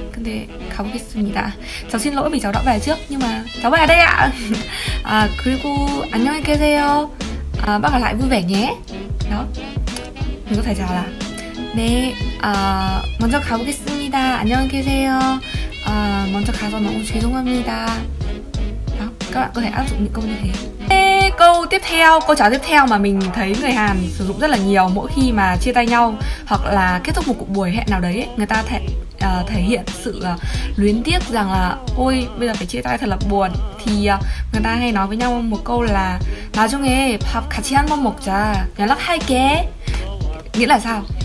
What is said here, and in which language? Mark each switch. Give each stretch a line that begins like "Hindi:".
Korean: 근데 가보겠습니다.
Vietnamese: Cháu xin lỗi vì cháu đã về trước. Nhưng mà cháu về đây ạ.
Korean: 그리고 안녕히 계세요.
Vietnamese: Bác ở lại vui vẻ nhé. Đó. Mình có thể chào là
Korean: 네, 먼저 가보겠습니다. 안녕히 계세요. 먼저 가서 너무 죄송합니다.
Vietnamese: Đó. Các bạn có thể áp dụng những câu như thế. Câu tiếp theo, câu chào tiếp theo mà mình thấy người Hàn sử dụng rất là nhiều mỗi khi mà chia tay nhau hoặc là kết thúc một cuộc buổi hẹn nào đấy, người ta thể hiện sự luyến tiếc rằng là ôi bây giờ phải chia tay thật là buồn, thì người ta hay nói với nhau một câu là
Korean: 나중에 밥 같이 한번 먹자, 연락할게.
Vietnamese: Nghĩa là sao?